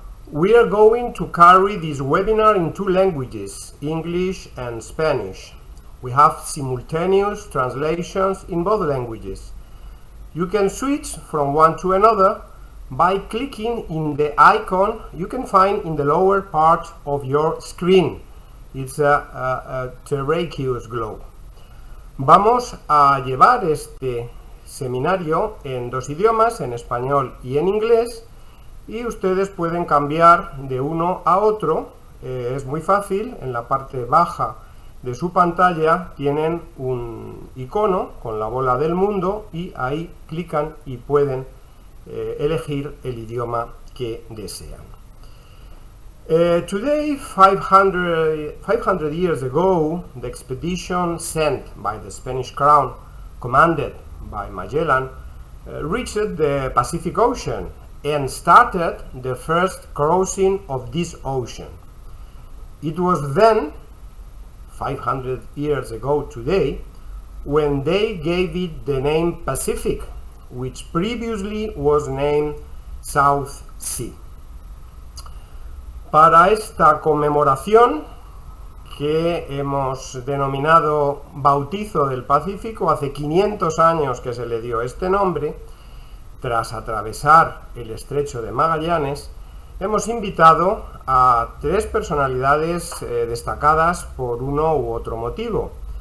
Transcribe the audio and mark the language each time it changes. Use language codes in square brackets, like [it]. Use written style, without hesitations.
[en] We are going to carry this webinar in two languages, English and Spanish. We have simultaneous translations in both languages. You can switch from one to another by clicking in the icon you can find in the lower part of your screen. It's a terracotta globe. [es] Vamos a llevar este seminario en dos idiomas, en español y en inglés, y ustedes pueden cambiar de uno a otro. Es muy fácil. En la parte baja de su pantalla tienen un icono con la bola del mundo y ahí clican y pueden elegir el idioma que desean. [en] Today, 500 years ago, the expedition sent by the Spanish Crown, commanded by Magellan, reached the Pacific Ocean and started the first crossing of this ocean. It was then, 500 years ago today, when they gave it the name Pacific, which previously was named South Sea. [es] Para esta conmemoración que hemos denominado Bautizo del Pacífico, hace 500 años que se le dio este nombre, tras atravesar el Estrecho de Magallanes, hemos invitado a tres personalidades destacadas por uno u otro motivo.